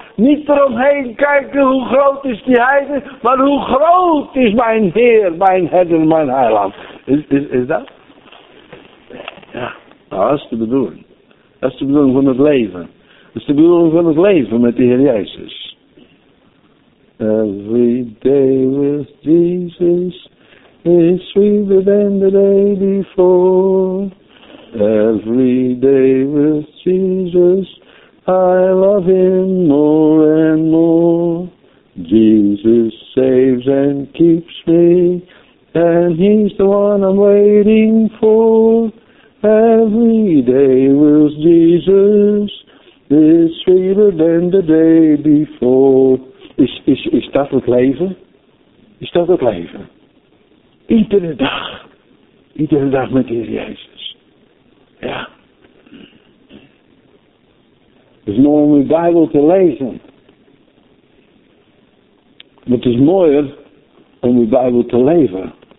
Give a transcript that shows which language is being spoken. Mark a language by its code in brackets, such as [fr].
[nl] Niet eromheen kijken hoe groot is die heide, maar hoe groot is mijn Heer, mijn herder, mijn heiland. Is dat? Ja, nou, dat is de bedoeling. Dat is de bedoeling van het leven. Dat is de bedoeling van het leven met de Heer Jezus. [en] Every day with Jesus is sweeter than the day before. Every day with Jesus, I love him more and more. Jesus saves and keeps me, and he's the one I'm waiting for. Every day with Jesus is sweeter than the day before. [nl] Is dat het leven? Is dat het leven? Iedere dag met de Heer Jezus. Ja. Het is mooi om de Bijbel te lezen. Maar het is mooier om de Bijbel te leven.